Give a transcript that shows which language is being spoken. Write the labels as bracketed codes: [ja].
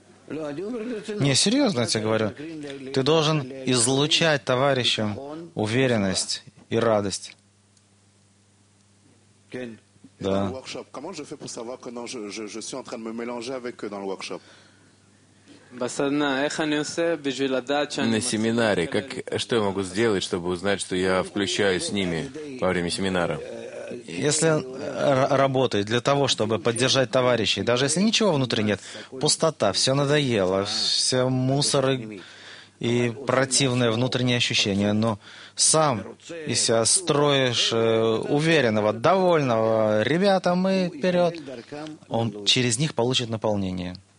[ru] Не, серьезно, я тебе говорю. Ты должен излучать товарищам уверенность и радость. Да. [fr] Comment je fais pour savoir que non, je suis en train de me mélanger avec eux dans le workshop? [ru] На семинаре, что я могу сделать, чтобы узнать, что я включаюсь с ними во время семинара? Если работать для того, чтобы поддержать товарищей, даже если ничего внутри нет, пустота, все надоело, все мусор и противные внутренние ощущения, но сам из себя строишь уверенного, довольного, ребята, мы вперед, он через них получит наполнение.